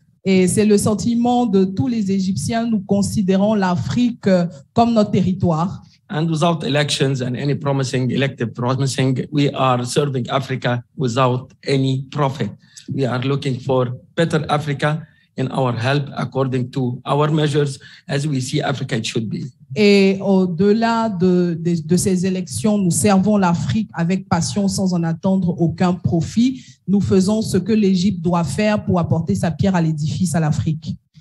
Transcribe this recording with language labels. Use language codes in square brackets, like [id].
[fr] Et c'est le sentiment de tous les Égyptiens, nous considérons l'Afrique comme notre territoire. [en] And without elections and any elective promising, we are serving Africa without any profit. We are looking for better Africa in our help according to our measures as we see Africa it should be. [fr] Et au-delà de ces élections, nous servons l'Afrique avec passion sans en attendre aucun profit. Nous faisons ce que l'Égypte doit faire pour apporter sa pierre à l'édifice à l'Afrique.